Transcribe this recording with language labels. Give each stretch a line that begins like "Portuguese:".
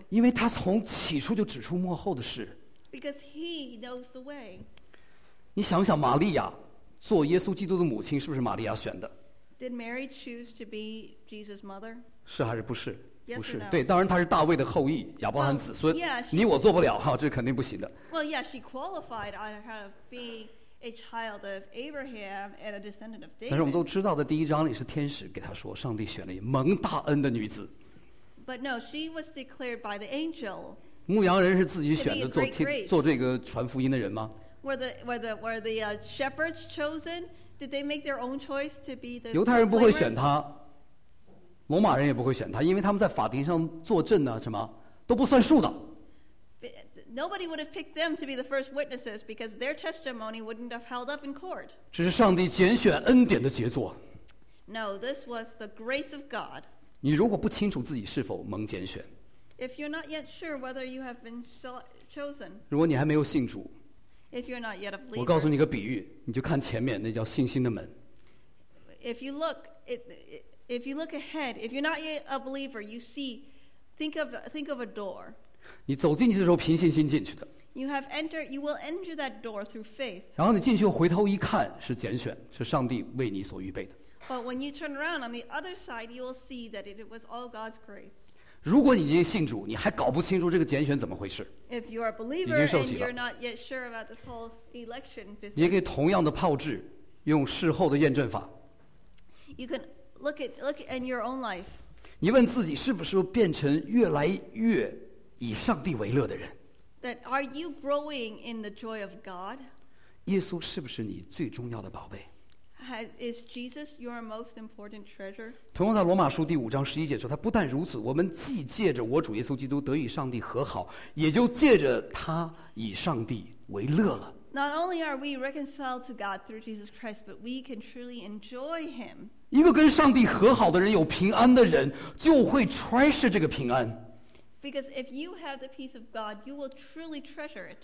Chinese: 因为他从起初就指出幕后的事。
English: Because He knows the way.
Chinese: 你想想，玛利亚做耶稣基督的母亲，是不是玛利亚选的
English: ？Did Mary choose to be Jesus' mother?
Chinese: 是还是不是？
English: Yes、
Chinese: 不是。
English: No?
Chinese: 对，当然她是大卫的后裔，亚伯拉罕子孙。
English: Well, yeah, she,
Chinese: 你我做不了哈，这肯定不行的。
English: Well, yeah, she qualified on her to be. A child of Abraham and a descendant of David.
Chinese: 但是我们都知道的，第一章里是天使给他说，上帝选了一蒙大恩的女子。
English: But no, she was declared by the angel.
Chinese: 牧羊人是自己选的做这个传福音的人吗
English: ？Were the shepherds chosen? Did they make their own choice to be the?
Chinese: 犹太人不会选他，罗马人也不会选他，因为他们在法庭上作证呢，什么都不算数的。
English: Nobody would have picked them to be the first witnesses because their testimony wouldn't have held up in court.
Chinese: 这是上帝拣选恩典的杰作。
English: No, this was the grace of God.
Chinese: 你如果不清楚自己是否蒙拣选
English: ，If you're not yet sure whether you have been chosen.
Chinese: 如果你还没有信主
English: ，If you're not yet a believer.
Chinese: 我告诉你个比喻，你就看前面那叫信心的门。
English: If you look ahead, if you're not yet a believer, you see, think of a door.
Chinese: 你走进去的时候凭信心进去的
English: you will enter that door through faith.
Chinese: 然后你进去回头一看是拣选是上帝为你所预备的
English: But when you turn around on the other side you will see that it was all God's grace.
Chinese: 如果你已经信主你还搞不清楚这个拣选怎么回事
English: If you are a believer and you're not yet sure about this whole election business,
Chinese: 你也可以同样的炮制用事后的验证法
English: You can look in your own life.
Chinese: 你问自己是不是变成越来越以上帝为乐的人
English: that are you growing in the joy of God?
Chinese: 耶稣是不是你最重要的宝贝
English: is Jesus your most important treasure?
Chinese: 同样在罗马书第五章十一节说他不但如此我们既借着我主耶稣基督得与上帝和好也就借着他以上帝为乐了
English: not only are we reconciled to God through Jesus Christ but we can truly enjoy him
Chinese: 一个跟上帝和好的人有平安的人就会 treasure 这个平安
English: Because if you have the peace of God, you will truly treasure it.